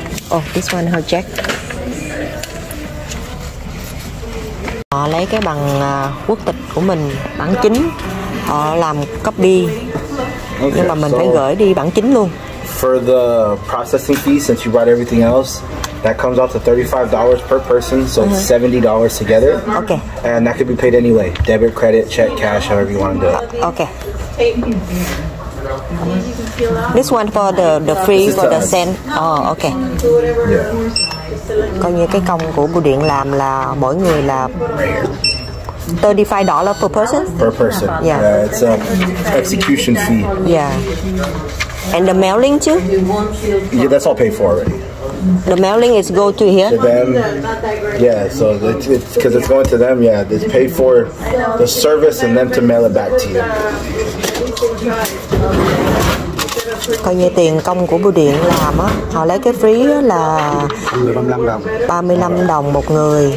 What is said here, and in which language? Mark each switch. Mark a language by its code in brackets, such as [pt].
[en] Oh, this one hơi check. [vi] Họ lấy cái bằng quốc tịch của mình, bản chính, họ làm copy. Okay, nhưng mà mình phải gửi đi bản chính luôn. [en] For the processing fee, since you brought everything else, that comes out to $35 per person, so it's $70 together. Okay. And that could be paid anyway, debit, credit, check, cash, however you want to do it. Okay. This one for the free for the send. Oh, okay. Yeah. [vi] Coi như cái công của bưu điện làm là mỗi người là $35 [en] per person. Per person. Yeah. It's a execution fee. Yeah. And the mailing too? Yeah, that's all paid for already. The mailing is go to here? To them. Yeah, so it's because it's going to them, yeah. It's paid for the service and them to mail it back to you. [vi] Coi như tiền công của bưu điện làm á, họ lấy cái phí là 35 đồng một người.